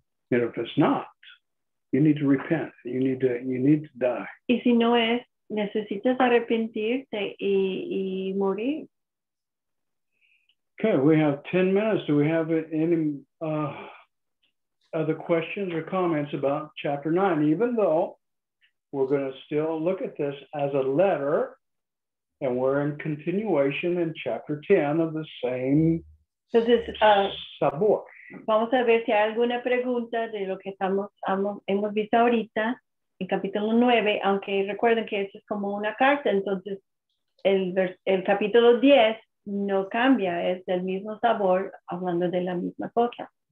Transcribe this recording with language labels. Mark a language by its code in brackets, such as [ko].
[en] And if it's not, you need to repent. You need to die. [es] Y si no es, necesitas arrepentirte y morir. [en] Okay, we have 10 minutes. Do we have any other questions or comments about chapter 9? Even though we're going to still look at this as a letter, and we're in continuation in chapter 10 of the same sabor. [es] Vamos a ver si hay alguna pregunta de lo que hemos visto ahorita en capítulo 9, aunque recuerden que esto es como una carta, entonces el capítulo 10 no cambia, es del mismo sabor, hablando de la misma cosa.